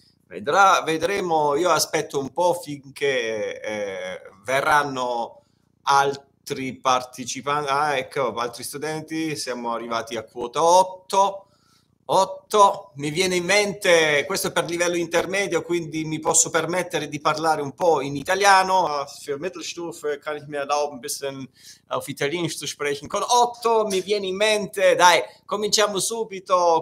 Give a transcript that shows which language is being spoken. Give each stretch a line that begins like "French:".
Italian: Vedrà, vedremo, io aspetto un po' finché verranno altri partecipanti, ah, ecco, altri studenti. Siamo arrivati a quota 8. 8, mi viene in mente, questo è per livello intermedio, quindi mi posso permettere di parlare un po' in italiano.
German: Für Mittelstufe kann ich mir erlauben, ein bisschen auf Italienisch zu sprechen.
Italian: Con 8 mi viene in mente, dai, cominciamo subito.